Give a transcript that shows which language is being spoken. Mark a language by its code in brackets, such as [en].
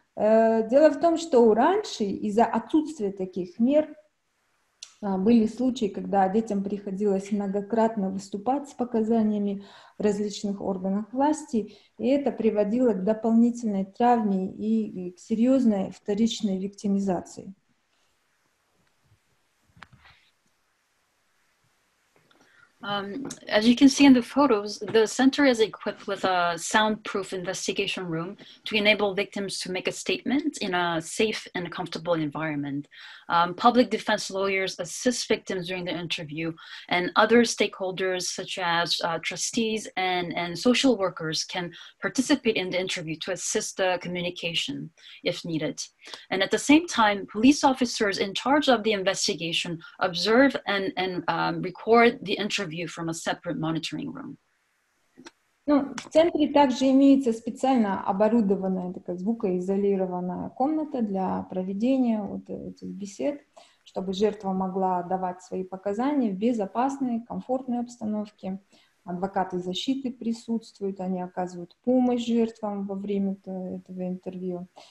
[ru] Дело в том, что раньше из-за отсутствия таких мер были случаи, когда детям приходилось многократно выступать с показаниями в различных органах власти, и это приводило к дополнительной травме и к серьезной вторичной виктимизации. [en] As you can see in the photos, the center is equipped with a soundproof investigation room to enable victims to make a statement in a safe and comfortable environment. Public defense lawyers assist victims during the interview, and other stakeholders such as trustees and social workers can participate in the interview to assist the communication if needed. And at the same time, police officers in charge of the investigation observe and record the interview from a separate monitoring room. [ru] Ну, в центре также имеется специально оборудованная такая звукоизолированная комната для проведения вот этих бесед, чтобы жертва могла давать свои показания в безопасной, комфортной обстановке. Адвокаты защиты присутствуют, они оказывают помощь жертвам во время этого интервью.